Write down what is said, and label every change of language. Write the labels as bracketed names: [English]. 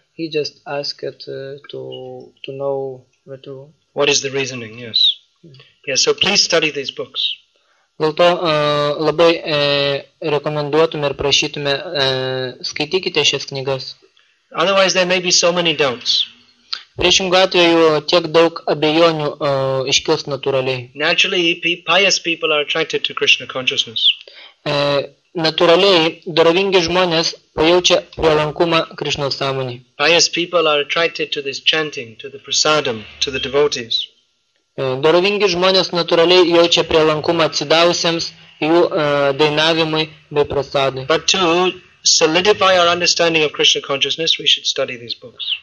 [English] He just asked to know the truth. What is the reasoning? Yes. Yeah, so please study these books. [Lithuanian] Dėl to labai rekomenduotume ir prašytume skaitykite šias knygas. [English] Otherwise there may be so many doubts. [Lithuanian] Priešingu atveju tiek daug abejonių iškils natūraliai. [English] Naturally, pious people are attracted to Krishna consciousness. [Lithuanian] Natūraliai dorovingi žmonės pajaučia prielankumą Krishna sąmonį. [English] Pious people are attracted to this chanting, to the prasadam, to the devotees. [Lithuanian] Dorovingi žmonės natūraliai jaučia prielankumą atsidavusiems jų dainavimui bei prasadui. [English] But to solidify our understanding of Krishna consciousness, we should study these books.